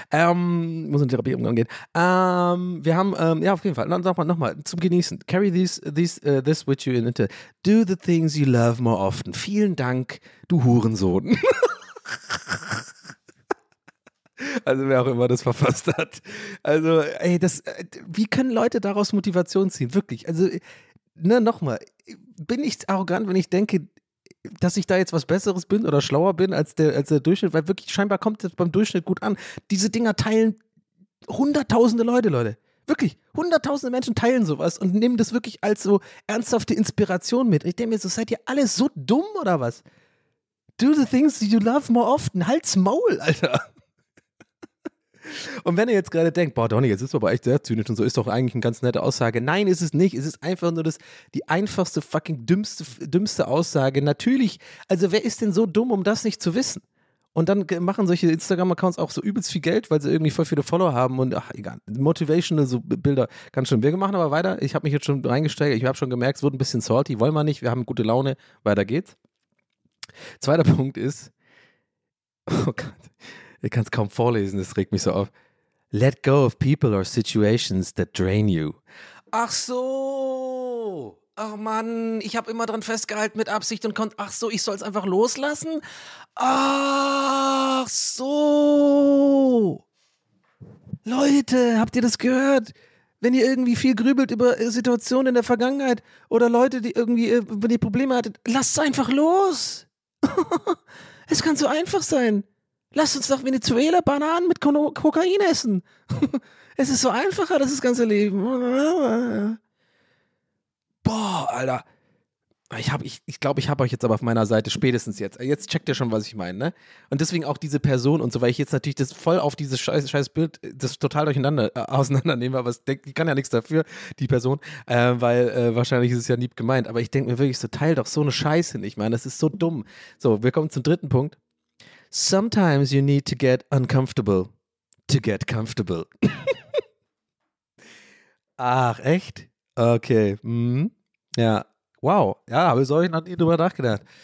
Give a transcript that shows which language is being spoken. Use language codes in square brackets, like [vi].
[de] Muss in Therapie umgang gehen. Wir haben, ja auf jeden Fall, nochmal zum Genießen. [en] Carry this with you in into. Do the things you love more often. [de] Vielen Dank, du Hurensohn. Also wer auch immer das verfasst hat. Also ey, das, wie können Leute daraus Motivation ziehen? Wirklich, also ne, nochmal, bin ich arrogant, wenn ich denke, dass ich da jetzt was Besseres bin oder schlauer bin als der Durchschnitt? Weil wirklich, scheinbar kommt das beim Durchschnitt gut an. Diese Dinger teilen Hunderttausende Leute, Leute. Wirklich, hunderttausende Menschen teilen sowas und nehmen das wirklich als so ernsthafte Inspiration mit. Und ich denke mir so, seid ihr alle so dumm oder was? [en] Do the things you love more often. [de] Halt's Maul, Alter. Und wenn ihr jetzt gerade denkt, boah, Donny, jetzt ist aber echt sehr zynisch und so, ist doch eigentlich eine ganz nette Aussage. Nein, ist es nicht. Es ist einfach nur das, die einfachste, fucking dümmste Aussage. Natürlich, also wer ist denn so dumm, um das nicht zu wissen? Und dann machen solche Instagram-Accounts auch so übelst viel Geld, weil sie irgendwie voll viele Follower haben und ach, egal, motivational so Bilder, ganz schön. Wir machen aber weiter, ich habe mich jetzt schon reingesteigert, ich habe schon gemerkt, es wurde ein bisschen salty, wollen wir nicht, wir haben gute Laune, weiter geht's. Zweiter Punkt ist, oh Gott, ich kann es kaum vorlesen, das regt mich so auf. [en] Let go of people or situations that drain you. [de] Ach so! Ach Mann, ich habe immer dran festgehalten mit Absicht und kommt, ach so, ich soll es einfach loslassen? Ach so. Leute, habt ihr das gehört? Wenn ihr irgendwie viel grübelt über Situationen in der Vergangenheit oder Leute, die irgendwie, wenn ihr Probleme hattet, lasst es einfach los. Es kann so einfach sein. Lasst uns nach Venezuela Bananen mit Kokain essen. Es ist so einfacher, das ganze Leben. Boah, Alter. Ich glaube, ich habe euch jetzt aber auf meiner Seite spätestens jetzt. Jetzt checkt ihr schon, was ich meine, ne? Und deswegen auch diese Person und so, weil ich jetzt natürlich das voll auf dieses scheiß Bild das total durcheinander auseinandernehme, aber ich kann ja nichts dafür, die Person, wahrscheinlich ist es ja lieb gemeint, aber ich denke mir wirklich so, teil doch so eine Scheiße nicht, meine, das ist so dumm. So, wir kommen zum dritten Punkt. [en] Sometimes you need to get uncomfortable to get comfortable. [de] Ach, echt? Okay, ja, wow, ja, habe ich euch noch nie drüber nachgedacht.